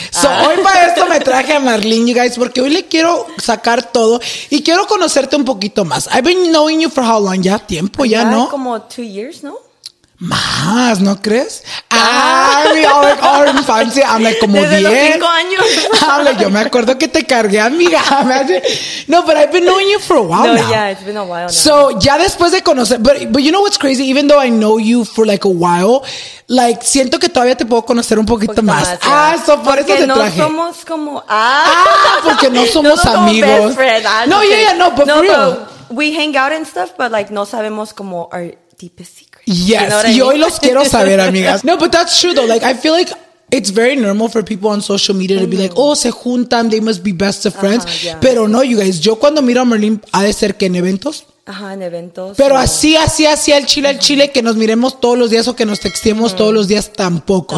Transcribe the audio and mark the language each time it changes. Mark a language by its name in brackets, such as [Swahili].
[Spanish] So hoy para esto me traje a Marlene, [English] you guys, [Spanish] porque hoy le quiero sacar todo y quiero conocerte un poquito más. [English] I've been knowing you for how long? [Spanish] Ya tiempo, ya, ¿no? Como 2 years, ¿no? Más, ¿no crees? Ah, mi infancia, habla como 10. Desde 10. Los 5 años. Habla, yo me acuerdo que te cargué, amiga. [English] No, but I've been knowing you for a while Yeah, it's been a while now. So, [Spanish] ya después de conocer, [English] but you know what's crazy? Even though I know you for like a while, like, [Spanish] siento que todavía te puedo conocer un poquito más. [English] Ah, so por [Spanish] porque eso te traje. Porque no somos como, ah. Porque no somos amigos. [English] Friend, [Spanish] no, [English] okay. but for real. We hang out and stuff, but like, [Spanish] no sabemos como [English] our deepest secrets. Yes, you know [Spanish] y hoy los quiero saber, amigas. [English] No, but that's true though. Like, I feel like it's very normal for people on social media to be like, oh, [Spanish] se juntan, [English] they must be best of friends. [Spanish] Uh-huh, yeah. Pero no, [English] you guys, [Spanish] yo cuando miro a Merlin, ha de ser que en eventos. Ajá, en eventos. Pero así, al chile, al chile, que nos miremos todos los días o que nos texteemos todos los días, tampoco.